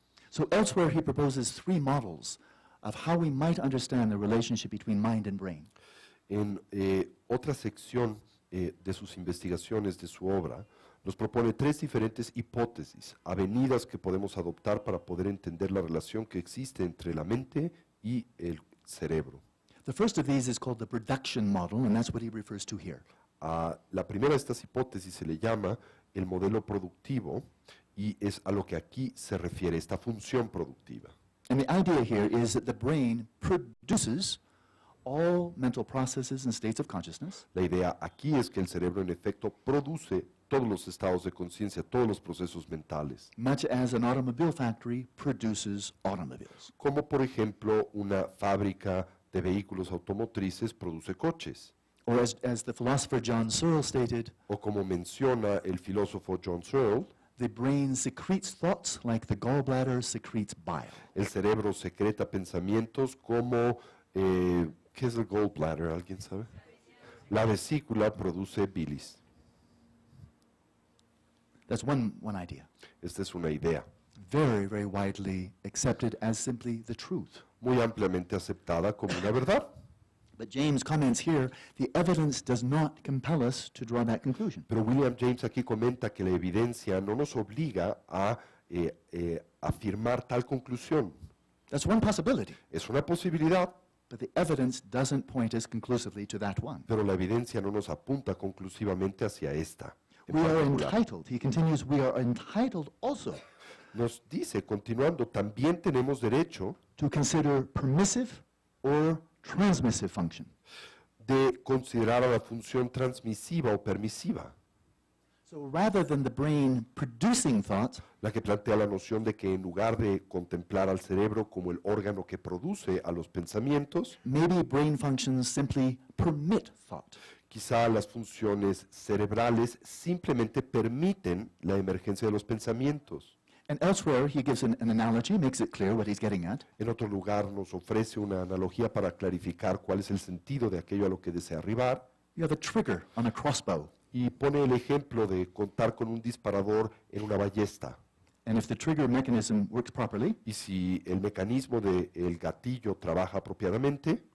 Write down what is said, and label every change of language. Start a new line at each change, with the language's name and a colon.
English: So elsewhere he proposes three models of how we might understand the relationship between mind and brain.
Spanish: En otra sección de sus investigaciones, de su obra, nos propone tres diferentes hipótesis, avenidas que podemos adoptar para poder entender la relación que existe entre la mente y el cerebro.
English: The first of these is called the production model, and that's what he refers to here.
Spanish: La primera de estas hipótesis se le llama el modelo productivo, y es a lo que aquí se refiere, esta función productiva.
English: And the idea here is that the brain produces all mental processes and states of consciousness.
Spanish: La idea aquí es que el cerebro en efecto produce todos los estados de conciencia, todos los procesos mentales.
English: Much as an automobile factory produces automobiles.
Spanish: Como por ejemplo una fábrica de vehículos automotrices produce coches.
English: Or as the philosopher John Searle stated,
Spanish: o como menciona el filósofo John Searle,
English: the brain secretes thoughts like the gallbladder secretes bile.
Spanish: El cerebro secreta pensamientos como ¿qué es el gallbladder? ¿Alguien sabe? La vesícula produce bilis.
English: That's one idea.
Spanish: Esta es una idea.
English: Very, very widely accepted as simply the truth.
Spanish: Muy ampliamente aceptada como una verdad.
English: But James comments here, the evidence does not compel us to draw that conclusion.
Spanish: Pero William James aquí comenta que la evidencia no nos obliga a afirmar tal conclusión.
English: That's one possibility.
Spanish: Es una posibilidad.
English: But the evidence doesn't point us conclusively to that one.
Spanish: Pero la evidencia no nos apunta conclusivamente hacia esta.
English: We are entitled, he continues, we are entitled also.
Spanish: Nos dice, continuando, también tenemos derecho
English: to consider permissive or transmissive function.
Spanish: De considerar a la función transmisiva o permisiva.
English: So rather than the brain producing thoughts,
Spanish: la que plantea la noción de que en lugar de contemplar al cerebro como el órgano que produce a los pensamientos,
English: maybe brain functions simply permit thought.
Spanish: Quizá las funciones cerebrales simplemente permiten la emergencia de los pensamientos.
English: And elsewhere he gives an analogy, makes it clear what he's getting at.
Spanish: En otro lugar nos ofrece una analogía para clarificar cuál es el sentido de aquello a lo que desea arribar.
English: You have a trigger on a crossbow.
Spanish: Y pone el ejemplo de contar con un disparador en una ballesta.
English: And if the trigger mechanism works properly,
Spanish: y si el mecanismo del gatillo trabaja apropiadamente,